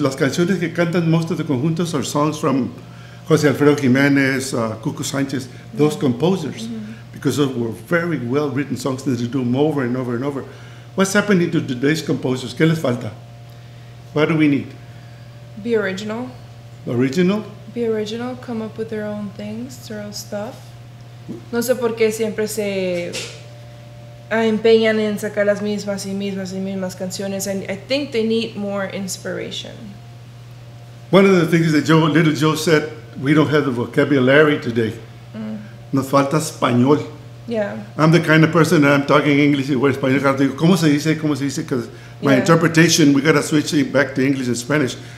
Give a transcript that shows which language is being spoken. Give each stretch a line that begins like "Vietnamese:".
Spanish: Las canciones que cantan
English: most of the conjuntos are songs from José Alfredo Jiménez, Cuco Sánchez, those composers, mm-hmm. because those were very well written songs that they do them over and over and over. What's happening to today's composers?
Spanish: ¿Qué les falta?
English: What do we need? Be original. Original? Be original, come up with their own things, their own stuff.
Spanish: No sé por qué siempre se empeñan en sacar las mismas y mismas y mismas canciones.
English: And I think they need more inspiration. One of the things that Little Joe said, we don't have the vocabulary today.
Spanish: Mm. Nos falta español.
English: Yeah. I'm the kind of person that I'm talking English and we're español.
Spanish: ¿Cómo se dice? ¿Cómo se dice?
English: Because my interpretation, we got to switch it back to English and Spanish.